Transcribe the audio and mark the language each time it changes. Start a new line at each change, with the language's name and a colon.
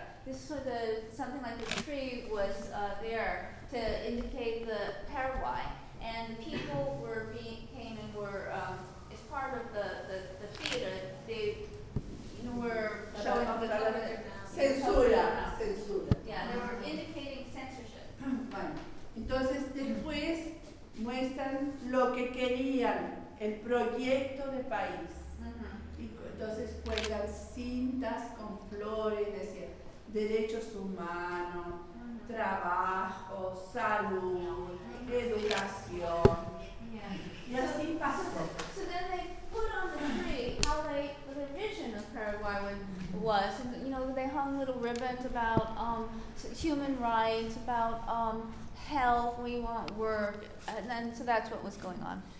English: This was something like the tree was there to indicate the Paraguay, and the people were being came and were as part of the theater. They, you know, were showing up with the
Spanish: censura. Censura.
English: Yeah, they were indicating censorship.
Spanish: Bueno, entonces después muestran lo que querían, el proyecto de país. Entonces cuelgan cintas con flores, decía, derechos humanos, trabajo, salud, educación.
English: Yeah.
Spanish: Y así pasó.
English: So then they put on the tree how the vision of Paraguay was. And, you know, they hung little ribbons about human rights, about health, we want work. And then, so that's what was going on.